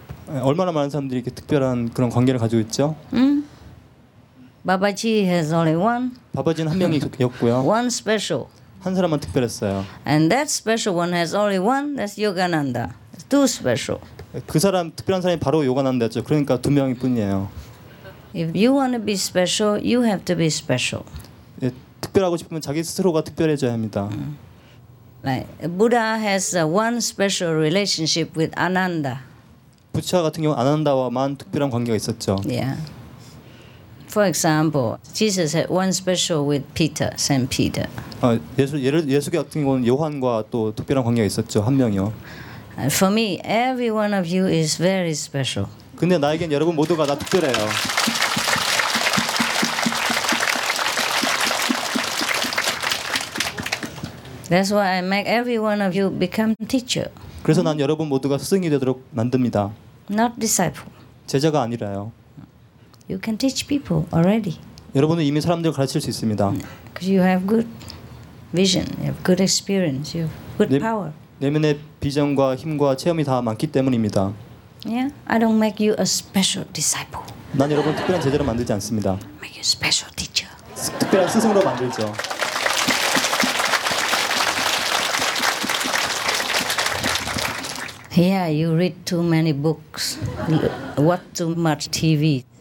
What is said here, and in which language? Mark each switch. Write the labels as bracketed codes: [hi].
[ko] 얼마나 많은 사람들이 이렇게 특별한 그런 관계를 가지고 있죠? [en] Babaji has only one. [ko] 바바지는 한 명이었고요. [en] One special. [ko] 한 사람만 특별했어요. [en] And that special one has only one. That's Yogananda. Two special. [ko] 그 사람 특별한 사람이 바로 요가난다였죠. 그러니까 두 명이뿐이에요. [en] If you want to be special, you have to be special. [ko] 예, 특별하고 싶으면 자기 스스로가 특별해져야 합니다. [en] Like Buddha has one special relationship with Ananda. [ko] 부처 같은 경우 아난다와만 특별한 관계가 있었죠. [en] Yeah. For example, Jesus had one special with Peter, Saint Peter. [ko] 예수 같은 경우는 요한과 또 특별한 관계가 있었죠. 한 명이요. [en] For me, every one of you is very special. [ko] 근데 나에겐 여러분 모두가 다 특별해요. [en] That's why I make every one of you become teacher. [ko] 그래서 난 여러분 모두가 스승이 되도록 만듭니다. [en] Not disciple. [ko] 제자가 아니라요. [en] You can teach people already. [ko] 여러분은 이미 사람들을 가르칠 수 있습니다. [en] Because you have good vision, you have good experience, you have good power. [ko] 내면의 비전과 힘과 체험이 다 많기 때문입니다. [en] Yeah, I don't make you a special disciple. [ko] 난 여러분 특별한 제자로 만들지 않습니다. [en] Make you special teacher. [ko] 특별한 스승으로 만들죠. [en] Yeah, you read too many books. Watch too much TV.